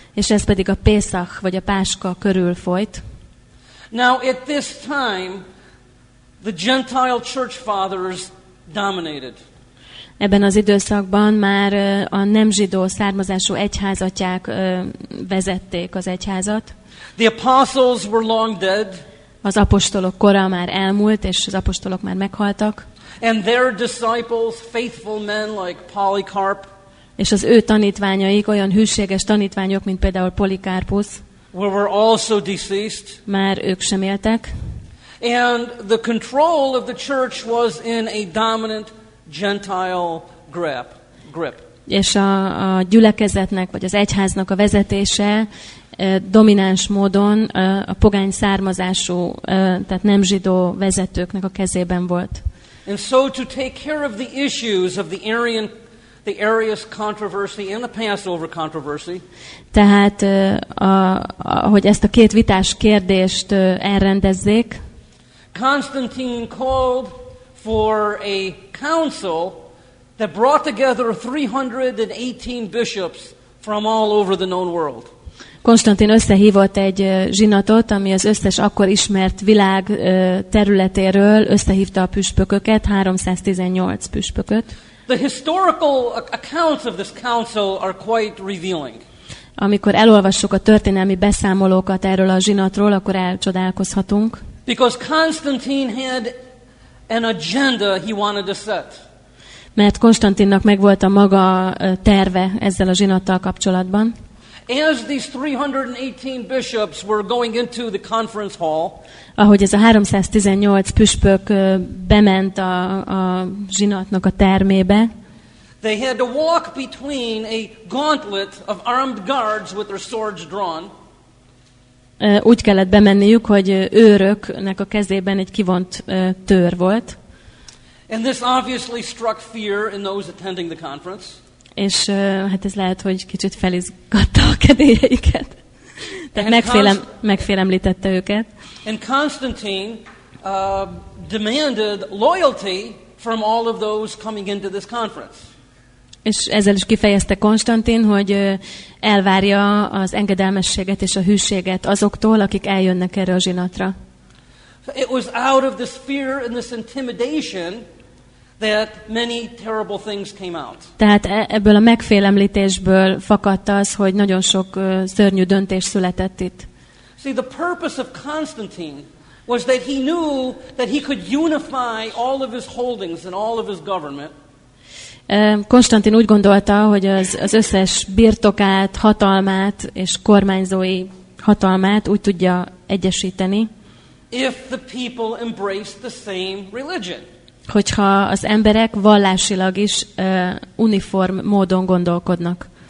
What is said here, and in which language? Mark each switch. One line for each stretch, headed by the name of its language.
Hungarian: És ez pedig a Pészach vagy a Páska körül folyt.
English: Now at this time the Gentile church fathers dominated.
Hungarian: Ebben az időszakban már a nem zsidó származású egyházatják vezették az egyházat.
English: The apostles were long dead.
Hungarian: Az apostolok kora már elmúlt, és az apostolok már meghaltak.
English: And their disciples, faithful men like Polycarp,
Hungarian: és az ő tanítványaik, olyan hűséges tanítványok, mint például Polikárpus,
English: were also deceased.
Hungarian: Már ők sem éltek.
English: And the control of the church was in a dominant Gentile grip.
Hungarian: És a gyülekezetnek vagy az egyháznak a vezetése domináns módon a pogány származású, tehát nem zsidó vezetőknek a kezében volt.
English: And so to take care of the issues of the Arius controversy and the Passover controversy.
Hungarian: Tehát hogy ezt a két vitás kérdést elrendezzék.
English: Constantine called for a council that brought together 318 bishops from all over the known world.
Hungarian: Konstantin összehívott egy zsinatot, ami az összes akkor ismert világ területéről összehívta a püspököket, 318 püspököt.
English: The historical accounts of this council are quite revealing.
Hungarian: Amikor elolvassuk a történelmi beszámolókat erről a zsinatról, akkor elcsodálkozhatunk.
English: Because Constantine had an agenda he wanted to set.
Hungarian: Mert Konstantinnak megvolt a maga terve ezzel a zsinattal kapcsolatban.
English: As these 318 bishops were going into the conference hall,
Hungarian: ahogy ez a 318 püspök bement a zsinatnak a termébe,
English: they had to walk between a gauntlet of armed guards with their swords drawn.
Hungarian: Úgy kellett bemenniük, hogy őröknek a kezében egy kivont tőr volt.
English: And this obviously struck fear in those attending the conference.
Hungarian: És hát ez lehet, hogy kicsit felizgatta a kedélyeiket. Tehát megfélemlítette őket.
English: And Constantine demanded loyalty from all of those coming into this conference.
Hungarian: És ezzel is kifejezte Konstantin, hogy elvárja az engedelmességet és a hűséget azoktól, akik eljönnek erre a zsinatra.
English: It was out of this fear and this intimidation that many terrible things came out.
Hungarian: Tehát ebből a megfélemlítésből fakadt az, hogy nagyon sok szörnyű döntés született itt.
English: See, the purpose of Constantine was that he knew that he could unify all of his holdings and all of his government.
Hungarian: Konstantin úgy gondolta, hogy az összes birtokát, hatalmát és kormányzói hatalmát úgy tudja egyesíteni.
English: If the people embrace the same religion.
Hungarian: Hogyha az emberek vallásilag is uniform módon gondolkodnak.